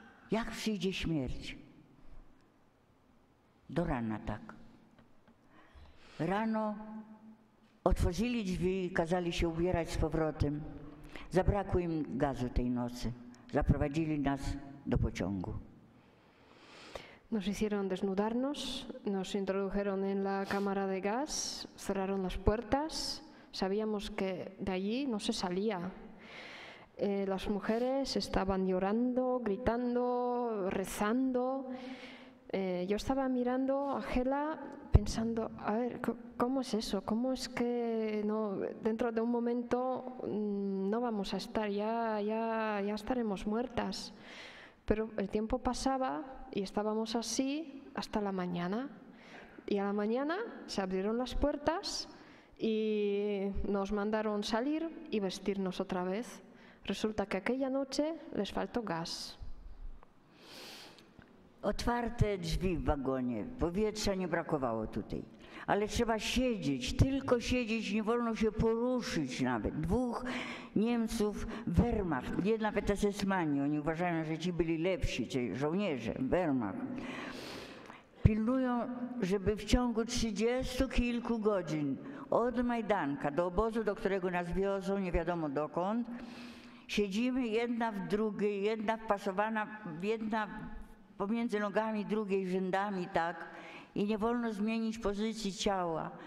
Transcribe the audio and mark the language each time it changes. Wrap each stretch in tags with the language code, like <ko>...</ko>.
<pl>Jak przyjdzie śmierć? Do rana tak. Rano otworzyli drzwi i kazali się ubierać z powrotem. Zabrakło im gazu tej nocy. Zaprowadzili nas do pociągu.</pl> <es>Nos hicieron desnudarnos, nos introdujeron en la cámara de gas, cerraron las puertas. Sabíamos que de allí no se salía. Las mujeres estaban llorando, gritando, rezando. Yo estaba mirando a Gela pensando, a ver, ¿cómo es eso? ¿Cómo es que no, dentro de un momento no vamos a estar, ya estaremos muertas? Pero el tiempo pasaba y estábamos así hasta la mañana. Y a la mañana se abrieron las puertas y nos mandaron salir y vestirnos otra vez. Resulta que aquella noche les faltó gas.</es> <pl>Otwarte drzwi w wagonie, powietrza nie brakowało tutaj, ale trzeba siedzieć, tylko siedzieć, nie wolno się poruszyć nawet. Dwóch Niemców, Wehrmacht, nie nawet SS-mani, oni uważają, że ci byli lepsi, czyli żołnierze, Wehrmacht, pilnują, żeby w ciągu 30 kilku godzin od Majdanka do obozu, do którego nas wiozą, nie wiadomo dokąd, siedzimy jedna w drugiej, jedna wpasowana, jedna pomiędzy nogami drugiej rzędami, tak, i nie wolno zmienić pozycji ciała.</pl>